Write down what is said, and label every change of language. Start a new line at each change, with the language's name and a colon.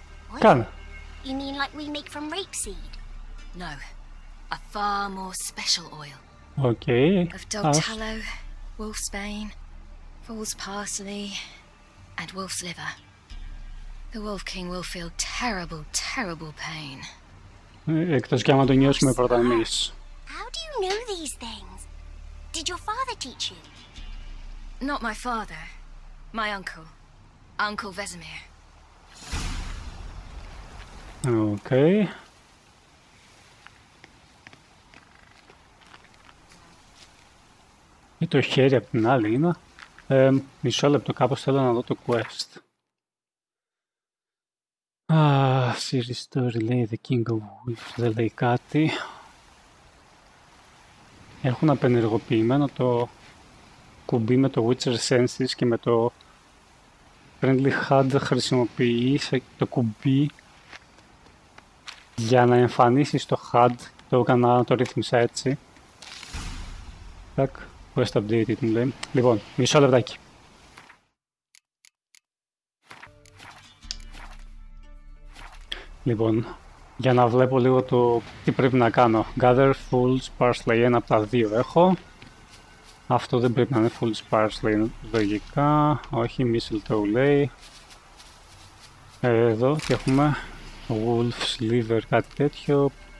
English: What? Can. You mean like we make from rapeseed? No, a far more special oil. Okay. Of dog tallow, wolf's bane, fool's parsley, and wolf's liver. The Wolf King will feel terrible, terrible pain.
Greek: Εκτός και άμα το νιώσουμε πρώτα εμείς.
English: How do you know these things? Did your father teach you? Not my father. My uncle. Uncle Vesemir. Okay.
Greek: Και το χέρι απ' την άλλη είναι. Μισό λεπτό, κάπως θέλω να δω το quest. Series story λέει The King of Wolves, δεν λέει κάτι. Έχουν απενεργοποιημένο το κουμπί με το Witcher Senses και με το Friendly Hand χρησιμοποιεί το κουμπί για να εμφανίσεις το HUD. Το έκανα να το ρύθμισα έτσι. Τακ, quest updated μου λέει. Λοιπόν, μισό λεπτάκι. Λοιπόν, για να βλέπω λίγο το τι πρέπει να κάνω.
English: Gather Fool's Parsley,
Greek: ένα από τα δύο έχω. Αυτό δεν πρέπει να είναι Fool's Parsley, λογικά. Όχι, Mistletoe λέει. Εδώ τι έχουμε. Wolf's Liver, κάτι τέτοιο.